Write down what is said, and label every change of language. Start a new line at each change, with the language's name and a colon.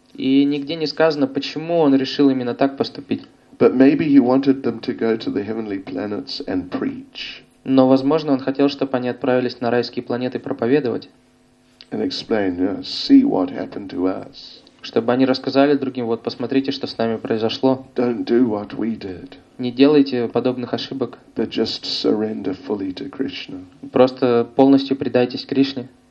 Russian: И нигде не сказано, почему он решил именно так поступить.
English: But maybe he wanted them to go to the heavenly planets and preach.
Russian: Но, возможно, он хотел, чтобы они отправились на райские планеты проповедовать.
English: And explain, you know, see what happened to us.
Russian: Чтобы они рассказали другим: вот посмотрите, что с нами произошло.
English: Don't do what we did.
Russian: Не делайте подобных ошибок.
English: But just surrender fully to Krishna.
Russian: Просто полностью предайтесь Кришне.